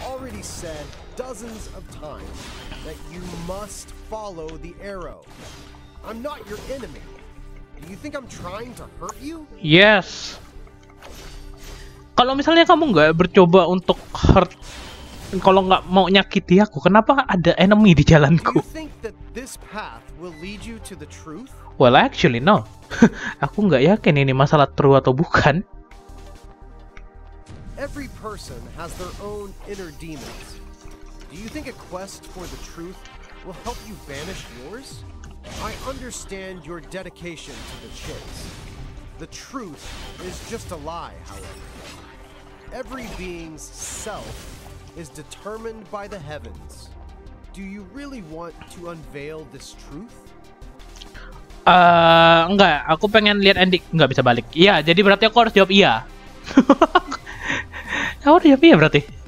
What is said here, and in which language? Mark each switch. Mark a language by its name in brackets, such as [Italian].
[English] Already said dozens of times that you must follow the arrow. I'm not your enemy. Do you think I'm trying to hurt you? Yes. [Indonesian] Kalau misalnya kamu nggak bercoba untuk hurt, kalau nggak mau nyakiti aku, kenapa ada enemy di jalanku? [English] Do you think that this path will lead you to the truth? Well, actually, no. [Indonesian] Aku nggak yakin ini masalah true atau bukan. [English] every person has their own inner demons. Do you think a quest for the truth will help you banish yours? I understand your dedication to the chase. The truth is just a lie, however. Every being's self is determined by the heavens. Do you really want to unveil this truth? [Indonesian] Enggak, aku pengen lihat ending. Enggak bisa balik. Iya, jadi berarti aku harus jawab iya. Aku harus jawab iya berarti.